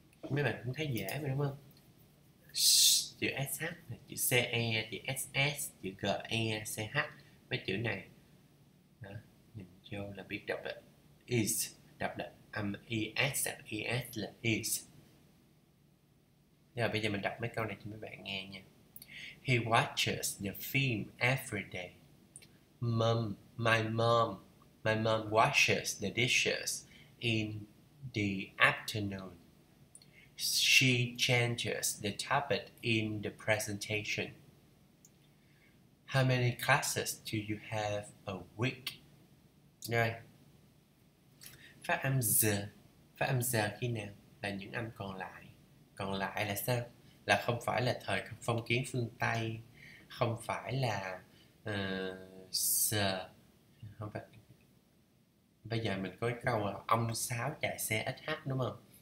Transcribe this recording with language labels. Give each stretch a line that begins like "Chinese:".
Vietnamese: Mấy bạn cũng thấy dễ mà đúng không? Chữ SH, chữ CE, chữ SS, chữ GE, CH. Mấy chữ này đó, nhìn vô là biết đọc là is. Đọc là âm ES, đọc ES là is. Rồi bây giờ mình đọc mấy câu này cho mấy bạn nghe nha.
English: He watches the film every day. Mom, my mom washes the dishes in the afternoon. She changes the topic in the presentation. How many classes do you have a week?
Vietnamese: Rồi. Phát âm z khi nào là những âm còn lại. Còn lại là sao? Là không phải là thời phong kiến phương Tây, không phải là z. Không phải. Bây giờ mình có câu là ông sáu chạy xe SH đúng không?